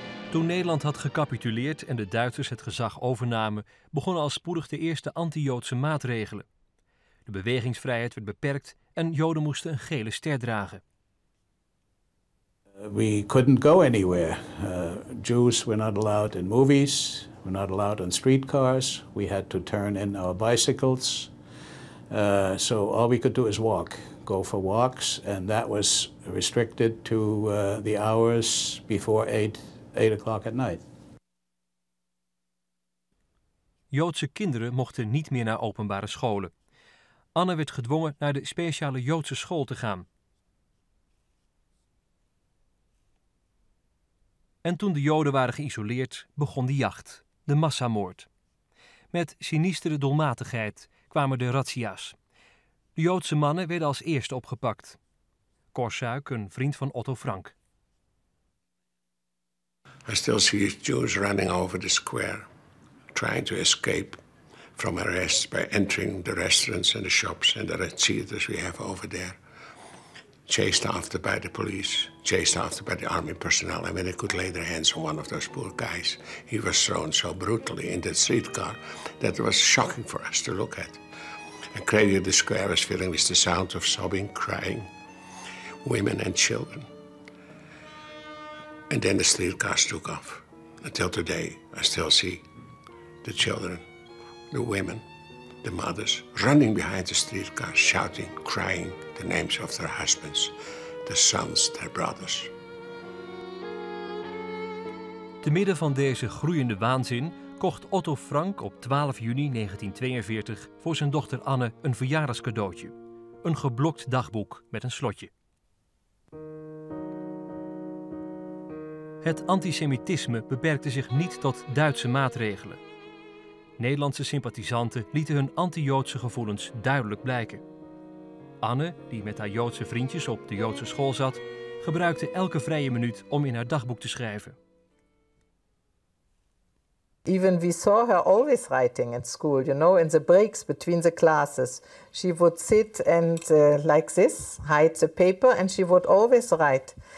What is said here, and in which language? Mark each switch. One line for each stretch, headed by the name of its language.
Dutch: Toen Nederland had gecapituleerd en de Duitsers het gezag overnamen, begonnen al spoedig de eerste anti-Joodse maatregelen. De bewegingsvrijheid werd beperkt en Joden moesten een gele ster dragen.
English: We couldn't go anywhere. Jews were not allowed in movies, were not allowed on streetcars. We had to turn in our bicycles. So all we could do is walk, go for walks. And that was restricted to the hours before 8 o'clock at night.
Dutch: Joodse kinderen mochten niet meer naar openbare scholen. Anne werd gedwongen naar de speciale Joodse school te gaan. En toen de Joden waren geïsoleerd, begon de jacht, de massamoord. Met sinistere doelmatigheid kwamen de razzia's. De Joodse mannen werden als eerste opgepakt. Cor Suyk, een vriend van Otto Frank.
English: I still see Jews running over the square, trying to escape from arrest by entering the restaurants and the shops and the razzias we have over there. Chased after by the police, chased after by the army personnel. And when they could lay their hands on one of those poor guys, he was thrown so brutally in the streetcar that it was shocking for us to look at. And crazy, the square was filling with the sound of sobbing, crying, women and children. And then the streetcars took off. Until today, I still see the children, the women, the mothers, running behind the streetcars, shouting, crying, the names of their husbands, the sons, their brothers.
Dutch: Te midden van deze groeiende waanzin kocht Otto Frank op 12 juni 1942 voor zijn dochter Anne een verjaardagscadeautje. Een geblokt dagboek met een slotje. Het antisemitisme beperkte zich niet tot Duitse maatregelen. Nederlandse sympathisanten lieten hun anti-Joodse gevoelens duidelijk blijken. Anne, die met haar Joodse vriendjes op de Joodse school zat, gebruikte elke vrije minuut om in haar dagboek te schrijven.
English: Even we saw her always writing in school, you know, in the breaks between the classes. She would sit and like this, hide the paper and she would always write.